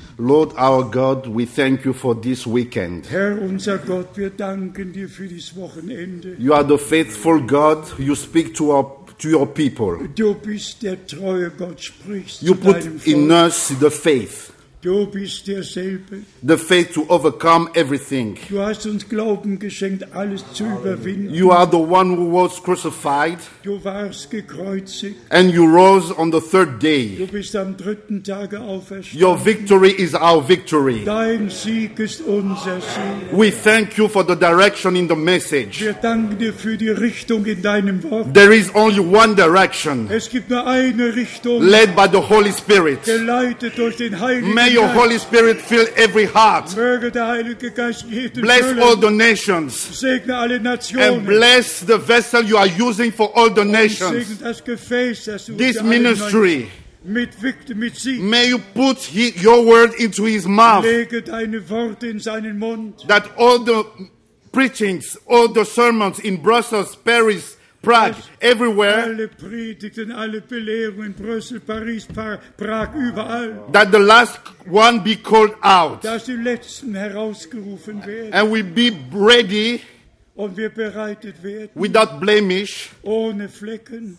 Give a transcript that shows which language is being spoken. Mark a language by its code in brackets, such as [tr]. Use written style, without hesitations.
[en] Lord, our God, we thank you for this weekend. [de] Herr, unser Gott, wir danken dir für dieses Wochenende. [en] You are the faithful God. You speak to our to your people. [de] Du bist der treue Gott, sprichst [en] you [de] zu deinem Volk. [en] You put in us the faith. [de] Du bist derselbe. [en] The faith to overcome everything. [de] Du hast uns Glauben geschenkt, alles zu überwinden. [en] You are the one who was crucified. [de] Du warst gekreuzigt. [en] And you rose on the third day. [de] Du bist am dritten Tage auferstanden. [en] Your victory is our victory. [de] Dein Sieg ist unser Sieg. [en] We thank you for the direction in the message. [de] Wir danken dir für die Richtung in deinem Wort. [en] There is only one direction. [de] Es gibt nur eine Richtung. [en] Led by the Holy Spirit. [de] Geleitet durch den Heiligen. [en] May your Holy Spirit fill every heart. Bless all the nations. [de] Segne alle Nationen. [en] And bless the vessel you are using for all the nations. [de] Segne das Gefäß, das [en] this ministry. [de] Mit Sieg. [en] May you put your word into his mouth. [de] Lege deine Worte in seinen Mund. [en] That all the preachings, all the sermons in Brussels, Paris, Prague, everywhere, [de] alle Predigten, alle Belehrungen, Brüssel, Paris, Prague, überall, [en] that the last one be called out, [de] dass die letzten herausgerufen werden, [en] and we be ready, [de] und wir bereitet werden, [en] without blemish, [de] ohne Flecken,